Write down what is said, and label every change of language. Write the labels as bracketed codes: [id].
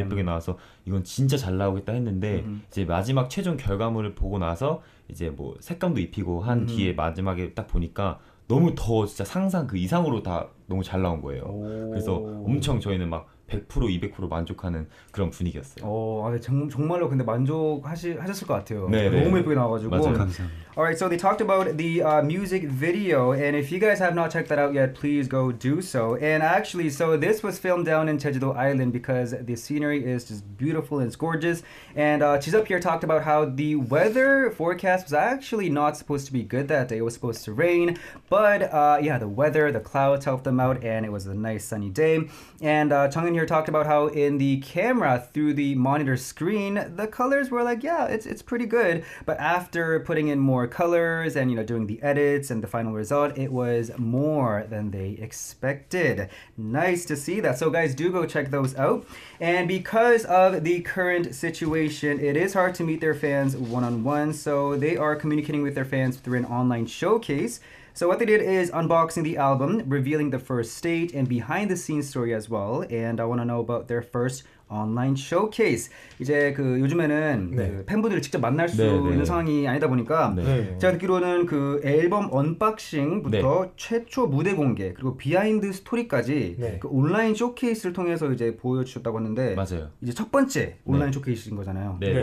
[ko] 예쁘게 나와서 이건 진짜 잘 나오겠다 했는데 이제 마지막 최종 결과물을 보고 나서 이제 뭐 색감도 입히고 한 뒤에 마지막에 딱 보니까 너무 더 진짜 상상 그 이상으로 다 너무 잘 나온 거예요. 그래서 엄청 저희는 막 100% 200% 만족하는 그런 분위기였어요. 정말로 근데 만족하셨을 것 같아요. 네, 너무 네. 예쁘게 나와가지고. 맞아요. 감사합니다. [en] All right, so they talked about the music video, and if you guys have not checked that out yet, please go do so. And actually, so this was filmed down in Jeju-do Island because the scenery is just beautiful and it's gorgeous. And Jisup here talked about how the weather forecast was actually not supposed to be good that day. It was supposed to rain, but yeah, the weather, the clouds helped them out, and it was a nice sunny day. And Chungyeon here here talked about how in the camera through the monitor screen, the colors were like, yeah, it's pretty good. But after putting in more colors and, you know, doing the edits and the final result, it was more than they expected. Nice to see that. So guys, do go check those out. And because of the current situation, it is hard to meet their fans one-on-one. So they are communicating with their fans through an online showcase. So what they did is unboxing the album, revealing the first stage and behind the scenes story as well. And I want to know about their first online showcase. [ko] 이제 그 요즘에는 네. 그 팬분들을 직접 만날 수 네, 네. 있는 상황이 아니다 보니까 네. 제가 듣기로는 그 앨범 언박싱부터 네. 최초 무대 공개 그리고 비하인드 스토리까지 네. 그 온라인 쇼케이스를 통해서 이제 보여주셨다고 하는데 맞아요. 이제 첫 번째 온라인 네. 쇼케이스인 거잖아요. 네. 네.